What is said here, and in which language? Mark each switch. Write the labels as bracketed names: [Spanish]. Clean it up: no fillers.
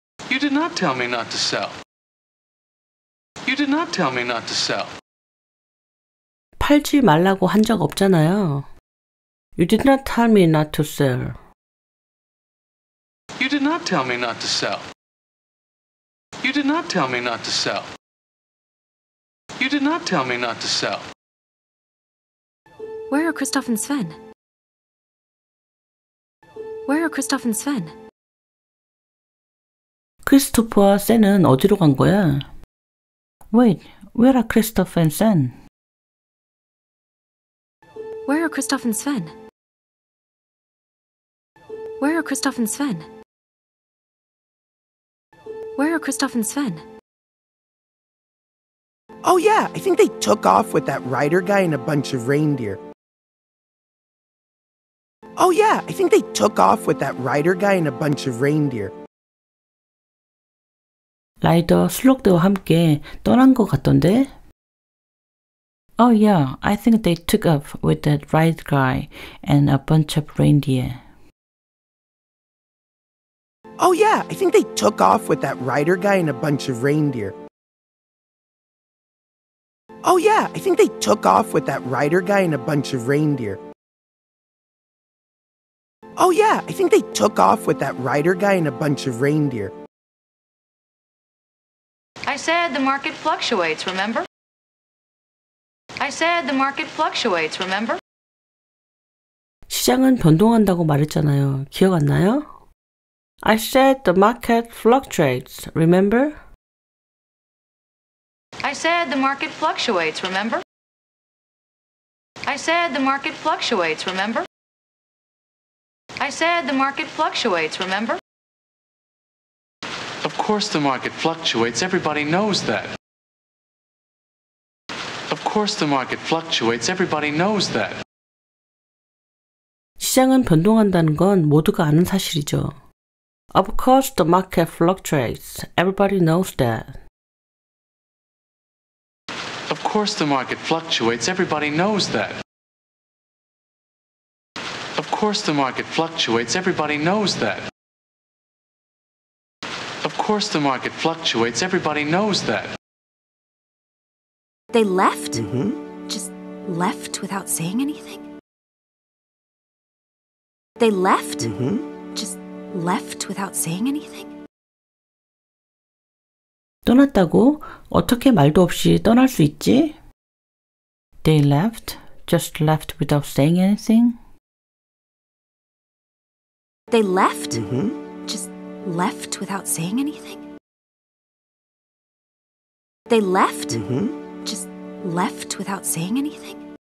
[English] You did not tell me not to sell. You did not tell me not to sell. [Korean] 팔지 말라고 한 적 없잖아요. [English] You did not tell me not to sell. You did not tell me not to sell. You did not tell me not to sell. You did not tell me not to sell. Where are Christoph and Sven? Where are Christoph and Sven? [Korean] 크리스토퍼와 센은 어디로 간 거야? [English] Wait, where are Christoph and Sven? Where are Christoph and Sven? Where are Christoph and Sven? Where are Christoph and Sven? Oh yeah, I think they took off with that rider guy and a bunch of reindeer. Oh yeah, I think they took off with that rider guy and a bunch of reindeer. [Korean] 라이더 슬록대와 함께 떠난 것 같던데? [English] Oh yeah, I think they took off with that rider guy and a bunch of reindeer. Oh yeah, I think they took off with that rider guy and a bunch of reindeer. Oh yeah, I think they took off with that rider guy and a bunch of reindeer. Oh yeah, I think they took off with that rider guy and a bunch of reindeer. I said the market fluctuates, remember? I said the market fluctuates, remember? [Korean] 시장은 변동한다고 말했잖아요. 기억 안 나요? [English] I said the market fluctuates, remember? I said the market fluctuates, remember? I said the market fluctuates, remember? I said the market fluctuates, remember? Of course the market fluctuates, everybody knows that. course the market fluctuates. Everybody knows that. [Korean] 시장은 변동한다는 건 모두가 아는 사실이죠. [English] Of course the market fluctuates. Everybody knows that. Of course the market fluctuates. Everybody knows that. Of course the market fluctuates. Everybody knows that. Of course the market fluctuates. Everybody knows that. They left? Mm-hmm. Just left without saying anything? They left? Mm-hmm. Just left without saying anything? [Korean] 떠났다고 어떻게 말도 없이 떠날 수 있지? [English] They left? Just left without saying anything? They left? Mm-hmm. Just left without saying anything? They left? Mm-hmm. Just left without saying anything?